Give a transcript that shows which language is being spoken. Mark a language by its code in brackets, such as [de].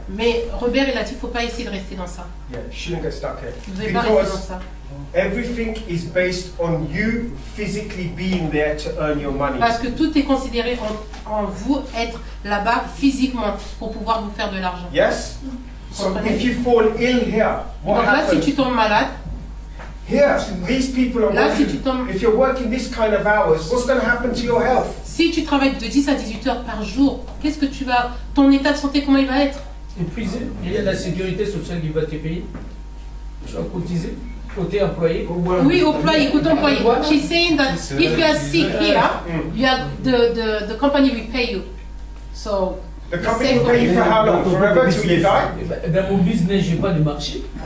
[fr] Mais Robert, il a dit, faut pas essayer de rester dans ça. [en] Yeah, shouldn't get stuck here. [fr] Vous devez pas rester dans ça. [en] Everything is based on you physically being there to earn your money. [fr] Parce que tout est considéré en vous être là-bas physiquement pour pouvoir vous faire de l'argent. [en] Yes. So if you fall ill here, what happens? [fr] Donc là, si tu tombes malade. [en] Here, these people are [fr] là, [en] working. [fr] Si tu tombes, [en] if you're working this kind of hours, what's going to happen to your health? [fr] Si tu travailles de 10 à 18 heures par jour, qu'est-ce que tu vas, ton état de santé, comment il va être? Et puis, il y a la sécurité sociale qui va te payer. Tu vas cotiser, côté employé. Oui, employé, côté employé. [en] She's saying that if you are sick here, you are the company will pay you. So, the company will pay you for how long? Forever till you die? [fr] Dans mon business, je n'ai pas de marché.